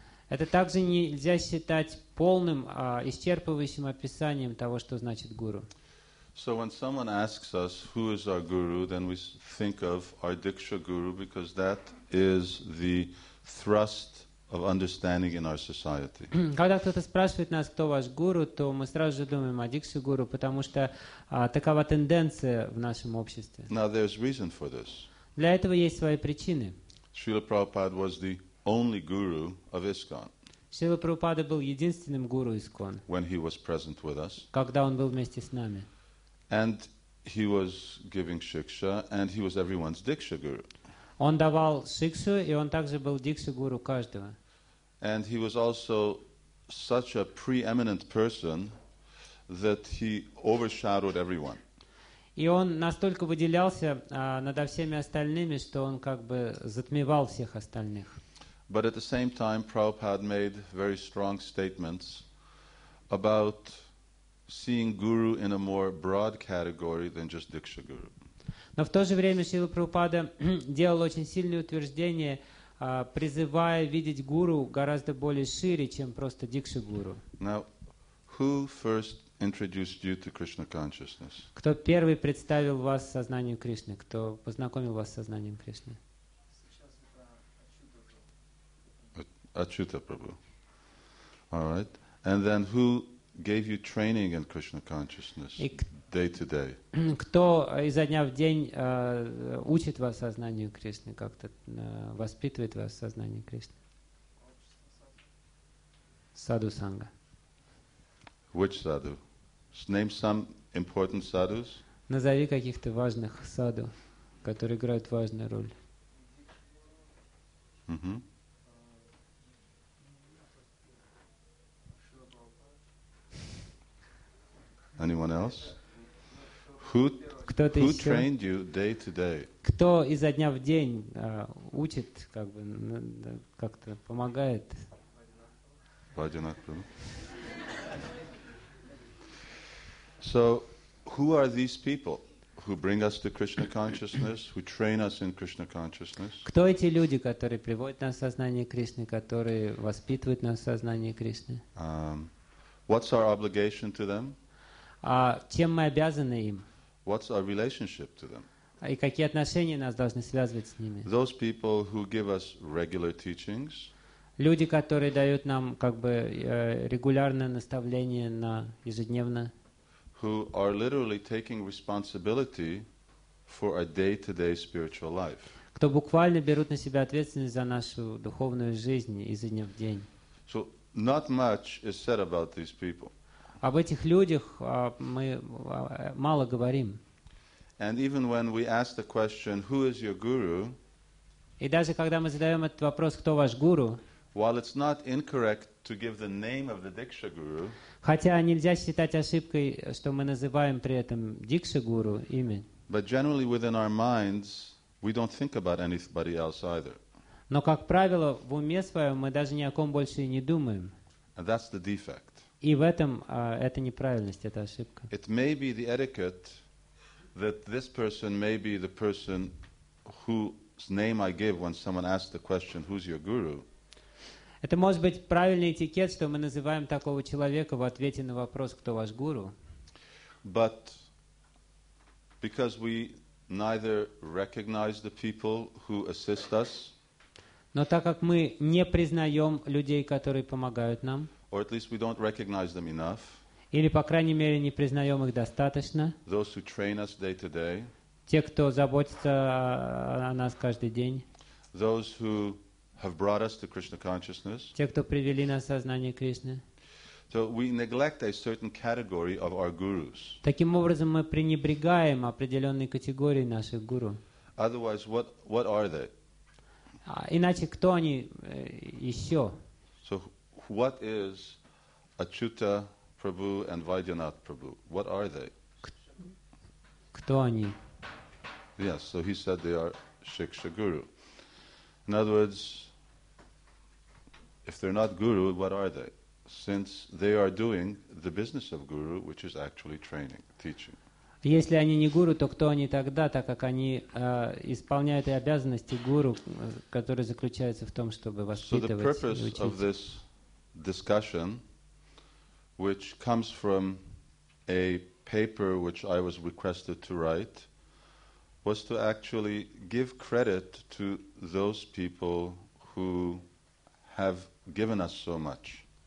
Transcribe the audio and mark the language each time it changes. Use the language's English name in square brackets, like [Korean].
[Russian] Это также нельзя считать полным, исчерпывающим описанием того, что значит гуру. [English] So when someone asks us who is our guru, then we think of our Diksha guru because that is the thrust of understanding in our society. [Russian] Когда кто-то спрашивает нас, кто ваш гуру, то мы сразу же думаем о Дикша гуру, потому что такова тенденция в нашем обществе. [English] Now there's reason for this. [Russian] Для этого есть свои причины. [English] Srila Prabhupada was the only guru of ISKCON. [Russian] Srila Prabhupada был единственным гуру ISKCON. [English] When he was present with us. [Russian] Когда он был вместе с нами. [English] And he was giving shiksha, and he was everyone's Diksha guru. [Russian] Он давал шикшу, и он также был дикша-гуру каждого. [English] And he was also such a preeminent person that he overshadowed everyone. [Russian] И он настолько выделялся над всеми остальными, что он как бы затмевал всех остальных. [English] But at the same time, Prabhupada made very strong statements about seeing guru in a more broad category than just dikshaguru. [Russian] Но в то же время Шрила Прабхупада делал очень сильное утверждение, призывая видеть гуру гораздо более шире, чем просто дикша-гуру. [English] Now, who first introduced you to Krishna consciousness? [Russian] Кто первый представил вас сознанию Кришны? Кто познакомил вас с сознанием Кришны? [English] Ачюта Прабху. All right. And then who gave you training in Krishna consciousness? Day to day. [Russian] Кто изо дня в день учит вас сознанию Кришны, как-то воспитывает вас сознанию Кришны? Саду Санга. [English] Which sadhu? Name some important sadhus. [Russian] Назови каких-то важных саду, которые играют важную роль. Mm-hmm. [English] Anyone else? Who trained you day to day? [Russian] Кто изо дня в день учит, как бы, как-то помогает? [English] So, who are these people who bring us to Krishna consciousness, who train us in Krishna consciousness? [Russian] Кто эти люди, которые приводят нас в сознание Кришны, которые воспитывают нас в сознании Кришны? [English] What's our obligation to them? [Russian] Чем мы обязаны им? [English] What's our relationship to them? [Russian] И какие отношения нас должны связывать с ними? [English] Those people who give us regular teachings. [Russian] Люди, которые дают нам как бы регулярное наставление на ежедневно. [English] Who are literally taking responsibility for our day-to-day spiritual life. [Russian] Кто буквально берут на себя ответственность за нашу духовную жизнь изо дня в день. [English] So not much is said about these people. [Russian] Об этих людях мы мало говорим. [English] And even when we ask the question, who is your guru? [Russian] И даже когда мы задаем этот вопрос, кто ваш гуру? [English] While it's not incorrect to give the name of the Diksha guru. [Russian] Хотя нельзя считать ошибкой, что мы называем при этом Дикша гуру имя. [English] But generally within our minds, we don't think about anybody else either. [Russian] Но как правило, в уме своем мы даже ни о ком больше не думаем. [English] And that's the defect. [Russian] И в этом это неправильность, это ошибка. [English] It may be the etiquette that this person may be the person whose name I give when someone asks the question, who's your guru? [Russian] Это может быть правильный этикет, что мы называем такого человека в ответе на вопрос, кто ваш гуру. [English] But because we neither recognize the people who assist us. [Russian] Но так как мы не признаем людей, которые помогают нам. [English] Or at least we don't recognize them enough. [Russian] Или, по крайней мере, не признаем их достаточно. [English] Those who train us day to day. [Russian] Те, кто заботится о нас каждый день. [English] Those who have brought us to Krishna consciousness. [Russian] Те, кто привели нас в сознание Кришны. [English] So we neglect a certain category of our gurus. [Russian] Таким образом, мы пренебрегаем определенной категорией наших гуру. [English] Otherwise, what are they? [Russian] Иначе, кто они еще? [English] So what is Achyuta Prabhu and Vaidyanath Prabhu? What are they? [Russian] Кто они? [English] Yes, so he said they are Shiksha Guru. In other words, if they're not Guru, what are they? Since they are doing the business of Guru, which is actually training, teaching. [Russian] Если они не Guru, то кто они тогда, так как они исполняют и обязанности Guru, которые заключаются в том, чтобы воспитывать и учить? [English] So the purpose of this discussion, which comes from a paper which I was requested to write, was to actually give credit to those people who have given us so much.